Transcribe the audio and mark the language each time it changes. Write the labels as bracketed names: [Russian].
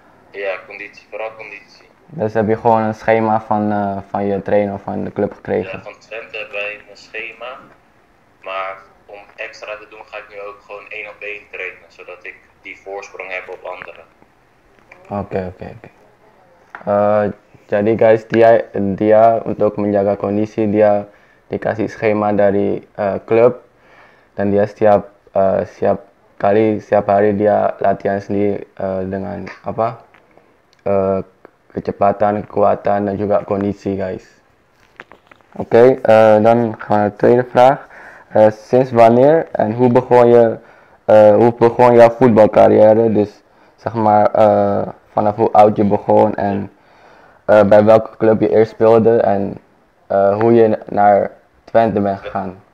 [Dutch] Ja, conditie, vooral conditie. Dus heb je gewoon een schema van je trainer of van de club gekregen? Ja, van Twente hebben wij een schema. Maar om extra te doen ga ik nu ook gewoon 1-op-1 trainen, zodat ik die voorsprong heb op anderen. Oké. [Indonesian] Jadi guys, dia untuk menjaga kondisi, dia dikasih schema dari klub dan dia setiap hari dia latihan sendiri dengan apa kecepatan, kekuatan dan juga kondisi guys. [Dutch] Dan tweede vraag, sinds wanneer en hoe begon jouw voetbalcarrière, dus zeg maar vanaf hoe oud je begon en bij welke club je eerst speelde en hoe je naar Twente ben gegaan.